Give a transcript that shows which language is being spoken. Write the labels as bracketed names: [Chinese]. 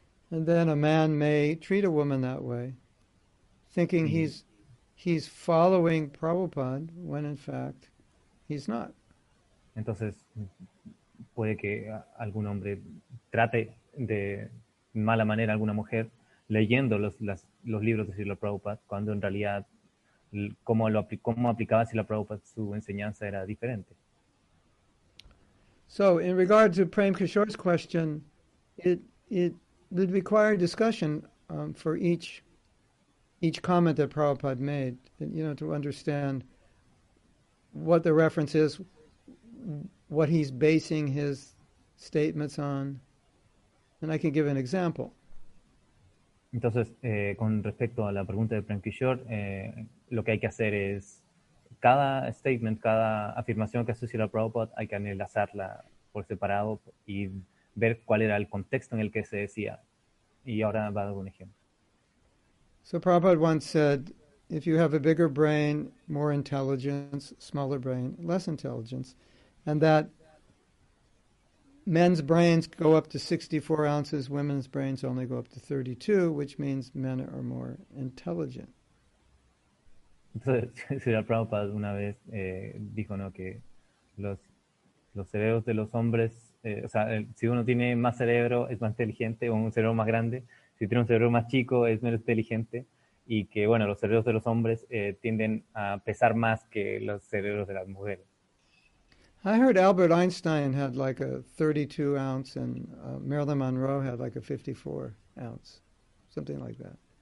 [English] And then a man may treat a woman that way, thinking he's following Prabhupada, when in fact he's not. [Spanish] Entonces, puede que algún hombre trate de mala manera a alguna mujer leyendo los libros de Srila Prabhupada, cuando en realidad cómo aplicaba Srila Prabhupada su enseñanza era diferente. [English] So, in regard to Prem Kishore's question, it would require discussion for each comment that Prabhupada made, you know, to understand what the reference is, what he's basing his statements on. And I can give an example. [Spanish] Entonces, con respecto a la pregunta de Prem Kishore, lo que hay que hacer es cada statement, cada afirmación que asocia a Prabhupada, hay que analizarla por separado y ver cuál era el contexto en el que se decía. Y ahora va a dar un ejemplo. [English] So Prabhupada once said, if you have a bigger brain, more intelligence, smaller brain, less intelligence, and that men's brains go up to 64 ounces, women's brains only go up to 32, which means men are more intelligent. [Spanish] Entonces, Srila Prabhupada una vez dijo, ¿no?, que los cerebros de los hombres, si uno tiene más cerebro, es más inteligente, o un cerebro más grande. Si tiene un cerebro más chico, es menos inteligente. Y que, bueno, los cerebros de los hombres tienden a pesar más que los cerebros de las mujeres. [English] I heard Albert Einstein had like a 32 ounce and Marilyn Monroe had like a 54 ounce, something like that.